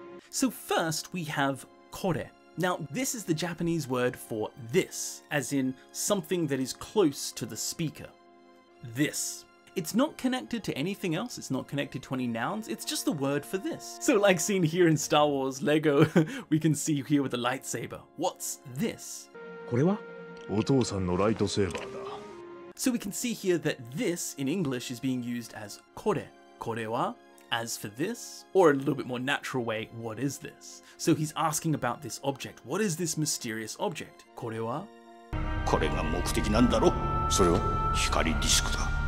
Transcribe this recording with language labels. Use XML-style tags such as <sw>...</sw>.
<en>So first we have kore. Now this is the Japanese word for this, as in something that is close to the speaker. This. It's not connected to anything else, it's not connected to any nouns, it's just the word for this. So like seen here in Star Wars Lego, we can see here with the lightsaber. What's this?</en> <ja>これはお父さんのライトセーバーだ.</ja> <en>So we can see here that this in English is being used as kore.</en> <ja>これは,</ja> <en>as for this, or in a little bit more natural way, what is this? So he's asking about this object. What is this mysterious object?</en> <ja>これは? これが目的なんだろ? それは光ディスクだ.</ja>